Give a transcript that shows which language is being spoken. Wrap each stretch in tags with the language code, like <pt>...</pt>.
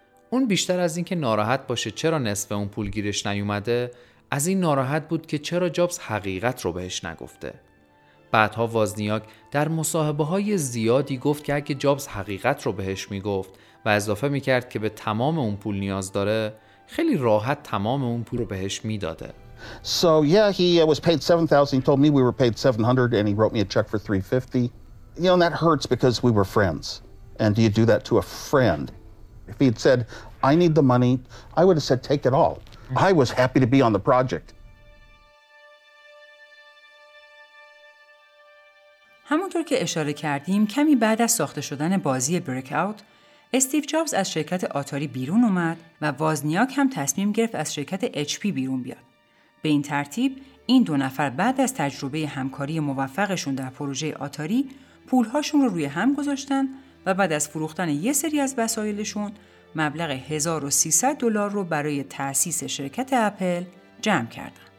<fa>اون بیشتر از این که ناراحت باشه چرا نصف اون پول گیرش نیومده، از این ناراحت بود که چرا جابز حقیقت رو بهش نگفته. بعدها وازنیاک در مصاحبه‌های زیادی گفت که اگه جابز حقیقت رو بهش میگفت و اضافه میکرد که به تمام اون پول نیاز داره، خیلی راحت تمام اون پول رو بهش میداده.</fa> <en>So yeah, he was paid 7000, told me we were paid 700 and he wrote me a check for 350. You know, that hurts because we were friends. And do you do that to a friend? If he had said, I need the money, I would have said, take it all. I was happy to be on the project.</en> <fa>همونطور که اشاره کردیم، کمی بعد از ساخته شدن بازی بریک‌آوت، استیو جابز از شرکت آتاری بیرون اومد و وازنیاک هم تصمیم گرفت از شرکت HP بیرون بیاد. به این ترتیب، این دو نفر بعد از تجربه همکاری موفقشون در پروژه آتاری، پولهاشون رو روی هم گذاشتن و بعد از فروختن یه سری از وسایلشون مبلغ 1300 دلار رو برای تأسیس شرکت اپل جمع کردن.</fa>